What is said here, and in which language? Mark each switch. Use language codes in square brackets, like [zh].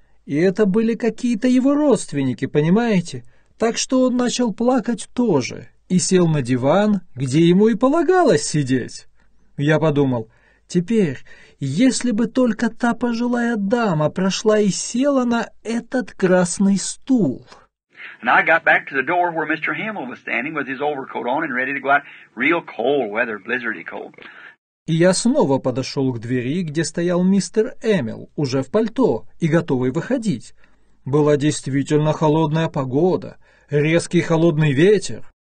[ru] И это были какие-то его родственники, понимаете? Так что он начал плакать тоже и сел на диван, где ему и полагалось сидеть. Я подумал, теперь, если бы только та пожилая дама прошла и села на этот красный стул. [en] And I got back to the door where Mr. Hamill was standing with his overcoat on and ready to go out, real cold weather, blizzardy cold. [ru] И я снова подошел к двери, где стоял мистер Эмил, уже в пальто и готовый выходить. Была действительно холодная погода, резкий холодный ветер.